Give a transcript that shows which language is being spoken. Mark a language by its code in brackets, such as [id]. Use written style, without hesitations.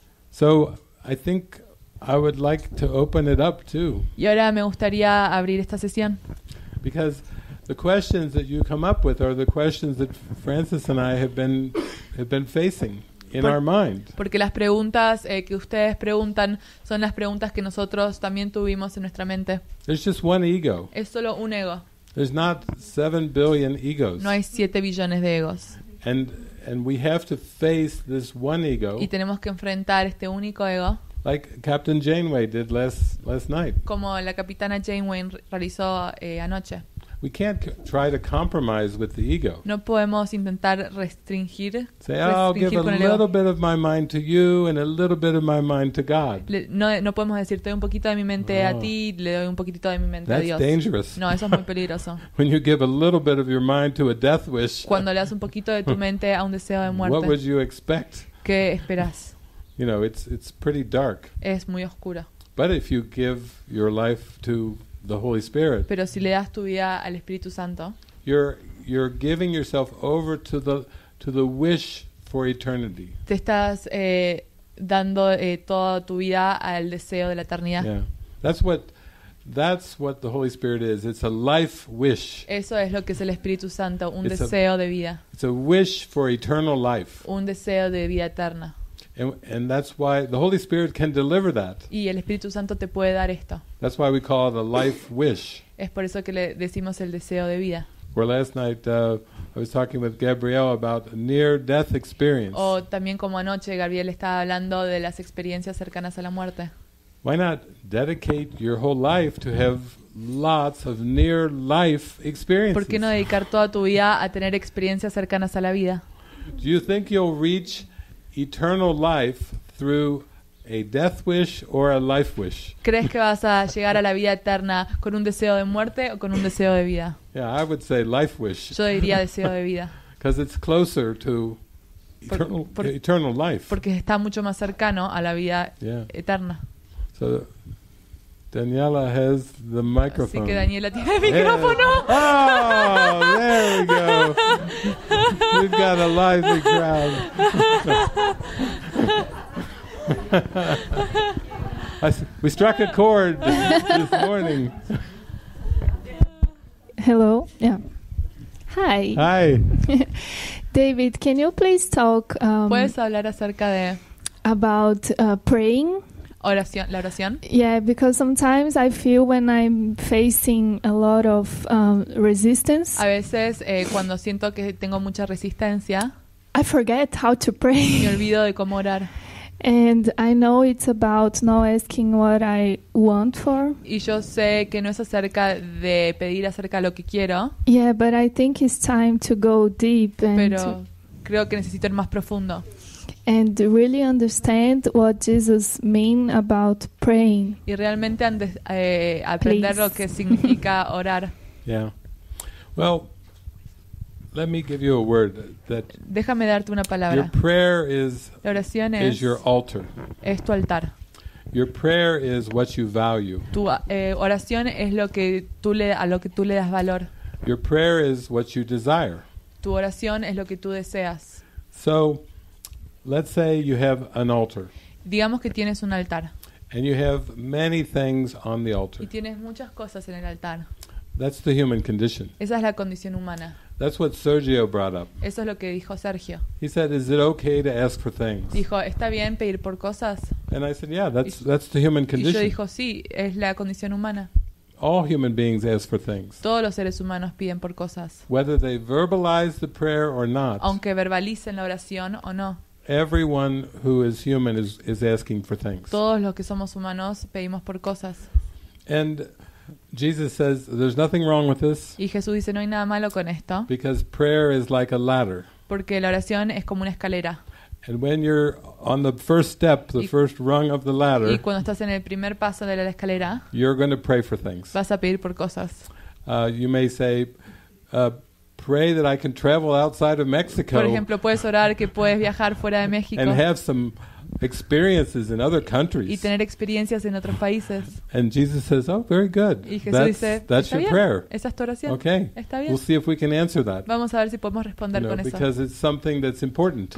[en] So I think I would like to open it up too. [es] Y ahora me gustaría abrir esta sesión. [en] Because the questions that you come up with are the questions that Francis and I have been facing in our mind. [es] Porque las preguntas que ustedes preguntan son las preguntas que nosotros también tuvimos en nuestra mente. [en] There's just one ego. [es] Es solo un ego. [en] There's not 7 billion egos. [es] No hay 7 billones de egos. [en] And we have to face this one ego. [es] Y tenemos que enfrentar este único ego. [en] Like Captain Janeway did last night. [es] Como la Capitana Janeway realizó anoche. [en] We can't try to compromise with the ego. [es] No podemos intentar restringir. [en] Say, oh, I'll give a little bit of my mind to you and a little bit of my mind to God. [es] No podemos decir, te doy un poquito de mi mente a ti, le doy un poquitito de mi mente a Dios. [en] That's dangerous. [es] No, eso es muy peligroso. [en] When you give a little bit of your mind to a death wish. [es] Cuando le das un poquito de tu mente a un deseo de muerte. [en] What would you expect? [es] ¿Qué esperas? [en] You know, it's pretty dark. [es] Es muy oscuro. [en] But if you give your life to the Holy Spirit. [es] Pero si le das tu vida al Espíritu Santo. [en] You're giving yourself over to the wish for eternity. [es] Te estás dando toda tu vida al deseo de la eternidad. [en] Yeah. That's what the Holy Spirit is. It's a life wish. [es] Eso es lo que es el Espíritu Santo, un deseo de vida. [en] It's a wish for eternal life. [es] Un deseo de vida eterna. [en] And that's why the Holy Spirit can deliver that. [es] Y el Espíritu Santo te puede dar esto. [en] That's why we call it a life wish. [es] Es por eso que le decimos el deseo de vida. [en] Well, last night I was talking with Gabrielle about a near-death experience. [es] O también como anoche Gabriel estaba hablando de las experiencias cercanas a la muerte. [en] Why not dedicate your whole life to have lots of near-life experiences? [es] ¿Por qué no dedicar toda tu vida a tener experiencias cercanas a la vida? [en] Do you think you'll reach eternal life through a death wish or a life wish? [es] ¿Crees que vas a llegar a la vida eterna con un deseo de muerte o con un deseo de vida? [en] Yeah, I would say life wish. [es] Yo diría deseo de vida. [en] Because it's closer to eternal life. [es] Porque está mucho más cercano a la vida eterna. [en] So Daniela has the microphone. [es] Así que Daniela tiene el micrófono. [en] Oh, there we go. We've got a lively crowd. We struck a chord this morning. Hello. Yeah. Hi. Hi. David, can you please talk? [es] ¿Puedes hablar acerca de? [en] About praying. [es] Oración, la oración. [en] Yeah, because sometimes I feel when I'm facing a lot of resistance. [es] A veces cuando siento que tengo mucha resistencia. [en] I forget how to pray. [es] Me olvido de cómo orar. [en] And I know it's about not asking what I want for. [es] Y yo sé que no es acerca de pedir acerca de lo que quiero. [en] Yeah, but I think it's time to go deep. [es] Pero creo que necesito ir más profundo. [en] And really understand what Jesus mean about praying. [es] Y realmente aprender [en] please [es] lo que significa orar. [en] Yeah. Well, let me give you a word that. [es] Déjame darte una palabra. [en] Your prayer is. [es] La oración [en] is your altar. [es] Es tu altar. [en] Your prayer is what you value. [es] Tu oración es lo que tú le a lo que tú le das valor. [en] Your prayer is what you desire. [es] Tu oración es lo que tú deseas. [en] So let's say you have an altar. [es] Digamos que tienes un altar. [en] And you have many things on the altar. [es] Y tienes muchas cosas en el altar. [en] That's the human condition. [es] Esa es la condición humana. [en] That's what Sergio brought up. [es] Eso es lo que dijo Sergio. [en] He said, "Is it okay to ask for things?" [es] Dijo, ¿está bien pedir por cosas? [en] And I said, "Yeah, that's the human condition." [es] Y yo dijo, sí, es la condición humana. [en] All human beings ask for things. [es] Todos los seres humanos piden por cosas. [en] Whether they verbalize the prayer or not. [es] Aunque verbalicen la oración o no. [en] Everyone who is human is asking for things. [es] Todos los que somos humanos pedimos por cosas. [en] And Jesus says there's nothing wrong with this. [es] Y Jesús dice no hay nada malo con esto. [en] Because prayer is like a ladder. [es] Porque la oración es como una escalera. [en] And when you're on the first step, the first rung of the ladder, [es] y cuando estás en el primer paso de la escalera, [en] you're going to pray for things. [es] Vas a pedir por cosas. [en] You may say, pray that I can travel outside of Mexico. [es] Por ejemplo, puedes orar que puedes viajar fuera de México. [en] And have some experiences in other countries. [es] Y tener experiencias en otros países. [en] And Jesus says, oh, very good. [es] Y Jesús dice, [en] your prayer. [es] Esa es tu oración. [en] Okay. [es] Está bien. [en] We'll see if we can answer that. [es] Vamos a ver si podemos responder con eso. [en] Because it's something that's important.